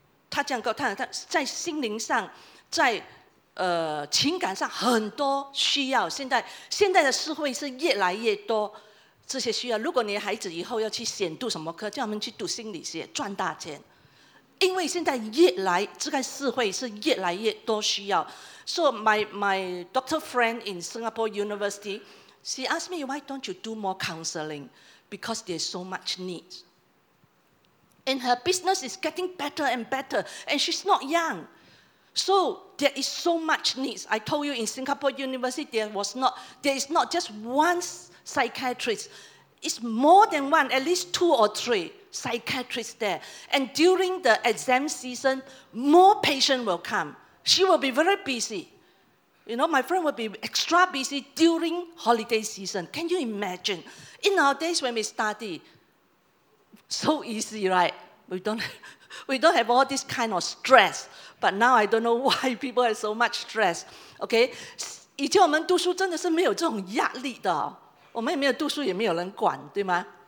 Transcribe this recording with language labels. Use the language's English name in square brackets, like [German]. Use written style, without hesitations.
[Chinese] 他这样告诉 他在心灵上，在情感上很多需要，现在的社会是越来越多这些需要。如果你的孩子以后要去选读什么科，叫他们去读心理学赚大钱，因为现在越来这个社会是越来越多需要。 [English] So my doctor friend in Singapore University, She asked me, why don't you do more counseling? because there's so much need. And her business is getting better and better, and she's not young. So there is so much needs. I told you in Singapore University, there is not just one psychiatrist. It's more than one, at least two or three psychiatrists there. And during the exam season, more patients will come. She will be very busy. You know, my friend will be extra busy during holiday season. Can you imagine? In our days when we study, so easy, right? We don't have all this kind of stress. But now I don't know why people have so much stress. Okay? [Chinese] 以前我们读书真的是没有这种压力的。我们也没有读书，也没有人管，对吗？